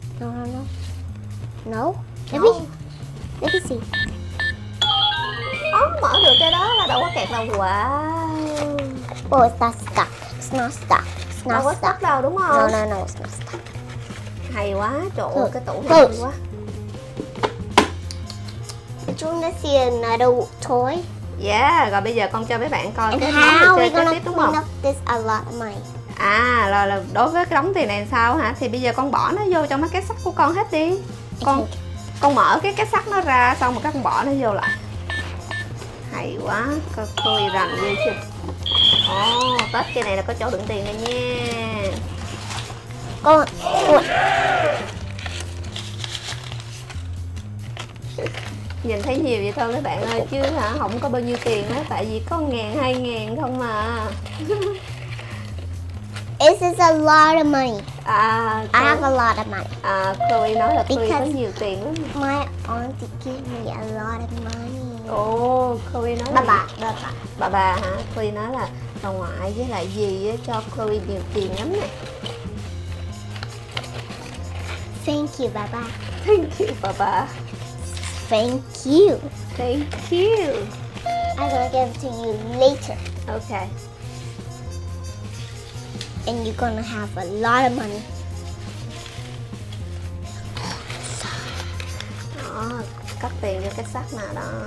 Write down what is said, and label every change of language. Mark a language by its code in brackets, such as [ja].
[en] No, no, no. No? Let me see. [vi] Oh, mở được cái đó là đâu có kẹt đâu. Wow. [en] Oh, it's not stuck. It's not stuck. [vi] Đâu có stuck đâu đúng không? [en] No, it's not stuck. [vi] Hay quá, trời ơi, cái tủ này hay quá. [en] Do you want to see another toy? Yeah, [vi] rồi bây giờ con cho mấy bạn coi [en] and [vi] cái món đồ chơi kế tiếp đúng không? [en] How are we gonna clean up this a lot, Mike? [vi] À, là đối với cái đống tiền này sao hả? Thì bây giờ con bỏ nó vô trong cái két sắt của con hết đi. Con mở cái két sắt nó ra xong rồi các con bỏ nó vô lại. Hay quá, coi Chloe rành ghê chứ. Oh, Tết cái này là có chỗ đựng tiền rồi nha. Con. Nhìn thấy nhiều vậy thôi mấy bạn ơi, chứ hả không có bao nhiêu tiền á, tại vì có 1.000, 2.000 không mà. [en] This is a lot of money. À, I have a lot of money. [vi] À, Chloe nói là Chloe có nhiều tiền lắm. [en] My auntie gave me a lot of money. [vi] Oh, Chloe nói bà là... Bà hả? Chloe nói là bà ngoại với lại dì á cho Chloe nhiều tiền lắm nè. [en] Thank you, bà ba. Thank you, bà ba. Thank you. Thank you. I'm gonna give it to you later. Okay. And you're gonna have a lot of money. [vi] Đó, cắt tiền vô cái sắt nè đó.